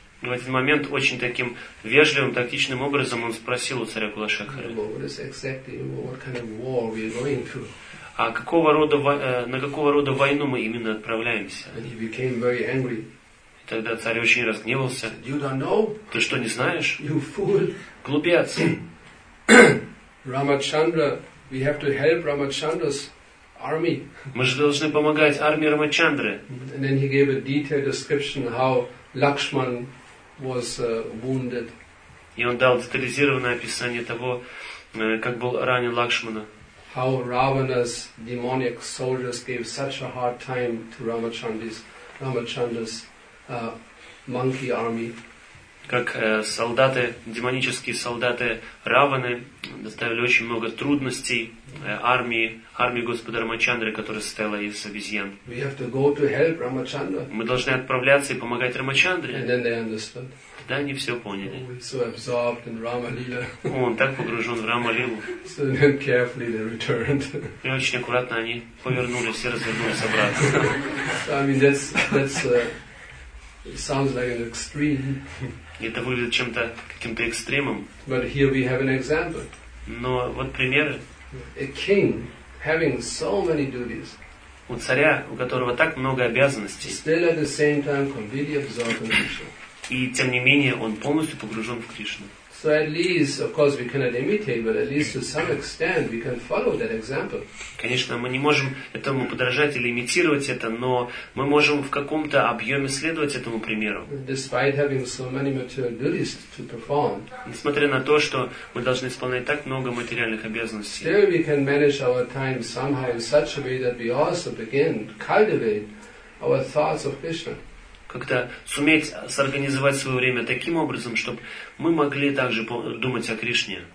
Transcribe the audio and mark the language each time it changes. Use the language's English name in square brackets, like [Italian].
[Russian] В этот момент очень таким вежливым, тактичным образом он спросил у царя Кулашекхара. [English] What is exactly, what kind of war we are going to? [Russian] А какого рода, на какого рода войну мы именно отправляемся? [English] And he became very angry. [Russian] И тогда царь очень разгневался. [English] Said, you don't know? [Russian] Ты что, не знаешь? [English] You fool. [Russian] Глупец. [English] Рамачандра, we have to help Рамачандра's army. [Russian] Мы же должны помогать армии Рамачандры. [English] And then he gave a detailed description how Lakshman was wounded. [Russian] И он дал детализированное описание того, как был ранен Лакшмана. [English] How Ravana's demonic soldiers gave such a hard time to Ramachandra's monkey army. [Russian] Как солдаты, демонические солдаты Раваны доставили очень много трудностей армии Господа Рамачандры, которая состояла из обезьян. [English] We have to go to help Ramachandra. [Russian] Мы должны отправляться и помогать Рамачандре. [English] And then they understood. [Russian] Да, они все поняли. [English] So absorbed in Rama-lila. [Russian] Он так погружен в Рама-лилу. [English] So then carefully they returned. [Russian] И очень аккуратно они повернулись и развернулись обратно. [English] So, I mean, it sounds like an extreme. [Russian] Это выглядит чем-то каким-то экстремом. [English] But here we have an example. [Russian] Но вот примеры. [English] A king having so many duties. [Russian] У царя, у которого так много обязанностей. [English] Still at the same time completely absorbed in Krishna. [Russian] И тем не менее он полностью погружен в Кришну. [English] So at least, of course, we cannot imitate, but at least to some extent we can follow that example. [Russian] Конечно, мы не можем этому подражать или имитировать это, но мы можем в каком-то объеме следовать этому примеру. [English] Despite having so many material duties to perform. [Russian] Несмотря на то, что мы должны исполнять так много материальных обязанностей. [English] Still we can manage our time somehow in such a way that we also begin to cultivate our thoughts of Krishna. [Russian] как-то суметь сорганизовать свое время таким образом, чтобы мы могли также думать о Кришне.